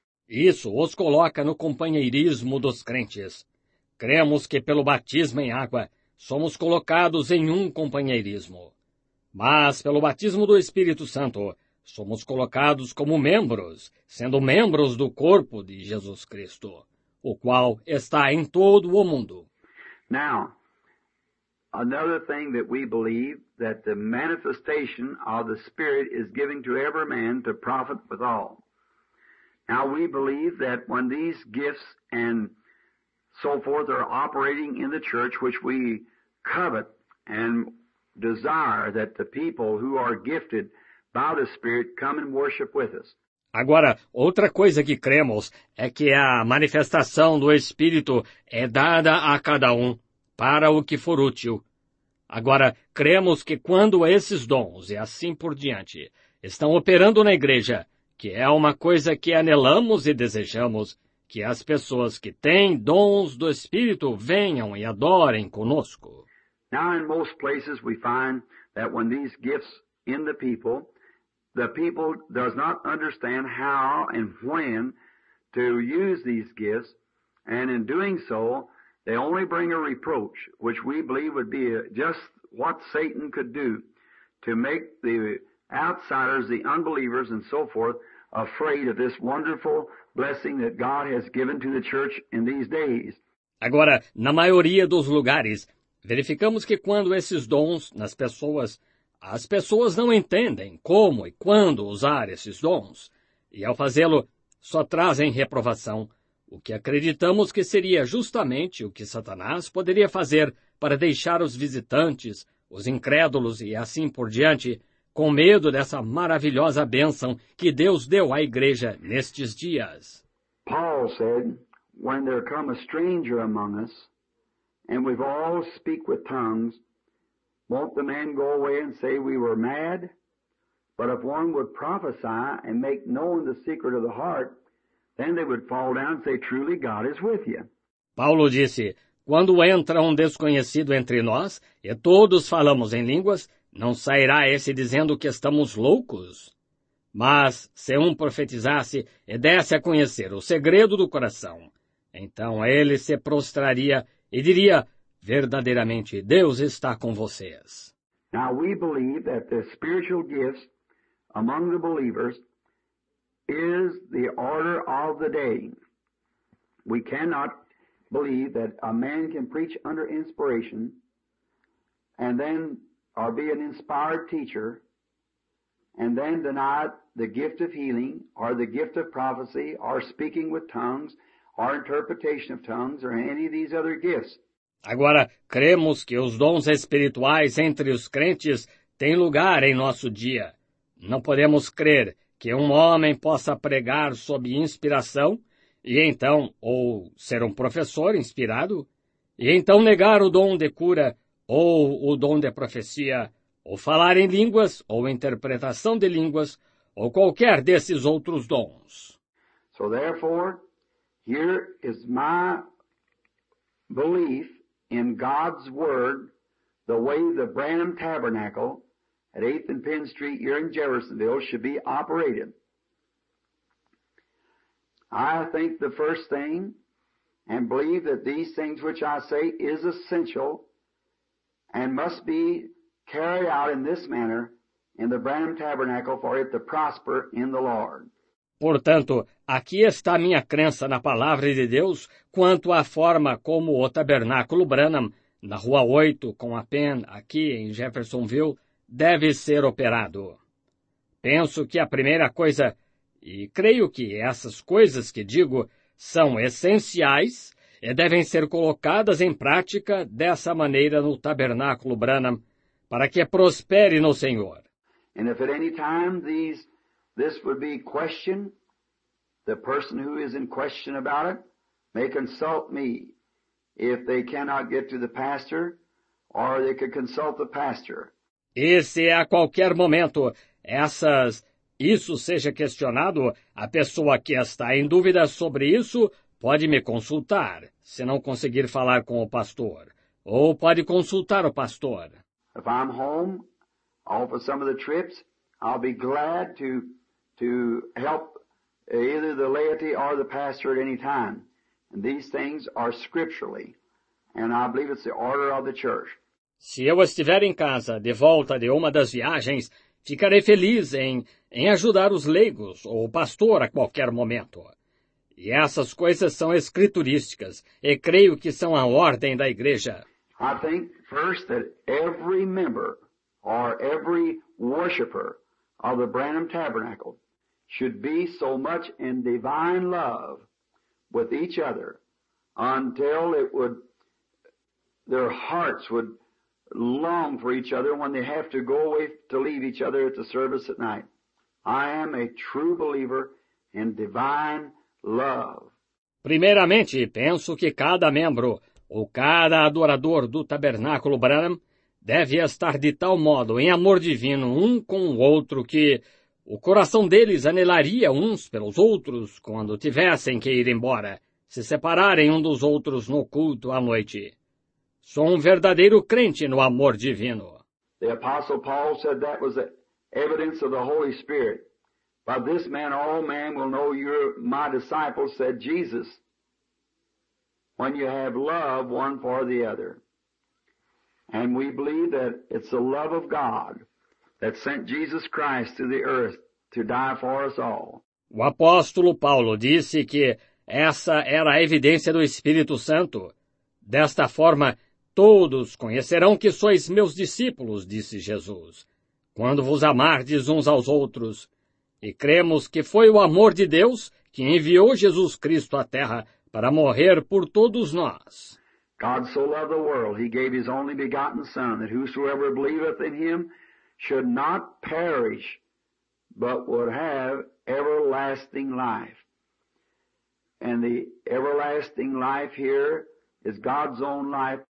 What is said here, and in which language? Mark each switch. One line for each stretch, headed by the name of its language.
Portuguese: Isso os coloca no companheirismo dos crentes. Cremos que pelo batismo em água somos colocados em um companheirismo. Mas pelo batismo do Espírito Santo somos colocados como membros, sendo membros do corpo de Jesus Cristo, o qual está em todo o mundo.
English: Now, another thing that we believe that the manifestation of the Spirit is given to every man to profit withal. Now, we believe that when these gifts and so forth are operating in the church, which we covet and desire that the people who are gifted by the Spirit come and worship with us.
Portuguese: Agora, outra coisa que cremos é que a manifestação do Espírito é dada a cada um para o que for útil. Agora, cremos que quando esses dons, e assim por diante, estão operando na igreja, que é uma coisa que anelamos e desejamos, que as pessoas que têm dons do Espírito venham e adorem conosco.
English: Now, in most places, we find that when these gifts in the people does not understand how and when to use these gifts, and in doing so, they only bring a reproach, which we believe would be just what Satan could do to make the outsiders, the unbelievers, and so forth, afraid of this wonderful blessing that God has given to the church in these days.
Portuguese: Agora, na maioria dos lugares, verificamos que quando esses dons nas pessoas, as pessoas não entendem como e quando usar esses dons, e ao fazê-lo, só trazem reprovação, o que acreditamos que seria justamente o que Satanás poderia fazer para deixar os visitantes, os incrédulos e assim por diante, com medo dessa maravilhosa bênção que Deus deu à igreja nestes dias.
English: Paul said, when there come a stranger among us, and we've all speak with tongues, won't the man go away and say we were mad? But if one would prophesy and make known the secret of the heart, then they would fall down and say, truly God is with you.
Portuguese: Paulo disse, quando entra um desconhecido entre nós, e todos falamos em línguas, não sairá esse dizendo que estamos loucos? Mas se um profetizasse e desse a conhecer o segredo do coração, então ele se prostraria e diria, verdadeiramente, Deus está com vocês.
English: Now we believe that the spiritual gifts among the believers is the order of the day. We cannot believe that a man can preach under inspiration and then or be an inspired teacher and then deny the gift of healing or the gift of prophecy or speaking with tongues or interpretation of tongues or any of these other gifts.
Portuguese: Agora, cremos que os dons espirituais entre os crentes têm lugar em nosso dia. Não podemos crer que um homem possa pregar sob inspiração e então, ou ser um professor inspirado, e então negar o dom de cura ou o dom de profecia, ou falar em línguas ou interpretação de línguas, ou qualquer desses outros dons.
English: So therefore, here is my belief in God's Word, the way the Branham Tabernacle at 8th and Penn Street here in Jeffersonville should be operated. I think the first thing, and believe that these things which I say is essential and must be carried out in this manner in the Branham Tabernacle for it to prosper in the Lord.
Portuguese: Portanto, aqui está minha crença na palavra de Deus quanto à forma como o Tabernáculo Branham, na Rua 8, com a Penn, aqui em Jeffersonville, deve ser operado. Penso que a primeira coisa, e creio que essas coisas que digo são essenciais e devem ser colocadas em prática dessa maneira no Tabernáculo Branham, para que prospere no Senhor.
English: And if at any time this would be questioned, the person who is in question about it may consult me. If they cannot get to the pastor, or they could consult the pastor.
Portuguese: E se a qualquer momento isso seja questionado, a pessoa que está em dúvida sobre isso pode me consultar, se não conseguir falar com o pastor. Ou pode consultar o pastor.
English: If I'm home, or for some of the trips, I'll be glad to help either the laity or the pastor at any time. And these things are scripturally, and I believe it's the order of the church.
Portuguese: Se eu estiver em casa, de volta de uma das viagens, ficarei feliz em ajudar os leigos ou o pastor a qualquer momento. E essas coisas são escriturísticas, e creio que são a ordem da igreja.
English: I think first that every member or every worshiper of the Branham Tabernacle should be so much in divine love with each other until their hearts would long for each other when they have to go away to leave each other at the service at night. I am a true believer in divine love.
Portuguese: Primeiramente, penso que cada membro ou cada adorador do Tabernáculo Branham deve estar de tal modo em amor divino um com o outro que o coração deles anelaria uns pelos outros quando tivessem que ir embora, se separarem um dos outros no culto à noite. Sou um verdadeiro crente no amor divino.
English: The Apostle Paul said that was the evidence of the Holy Spirit. By this man, all men will know you're my disciples, said Jesus, when you have love one for the other. And we believe that it's the love of God that sent Jesus Christ to the earth to die for us all.
Portuguese: O apóstolo Paulo disse que essa era a evidência do Espírito Santo. Desta forma, todos conhecerão que sois meus discípulos, disse Jesus, quando vos amardes uns aos outros. E cremos que foi o amor de Deus que enviou Jesus Cristo à terra para morrer por todos nós.
English: God so loved the world, he gave his only begotten Son, that whosoever believeth in him should not perish, but would have everlasting life. And the everlasting life here is God's own life.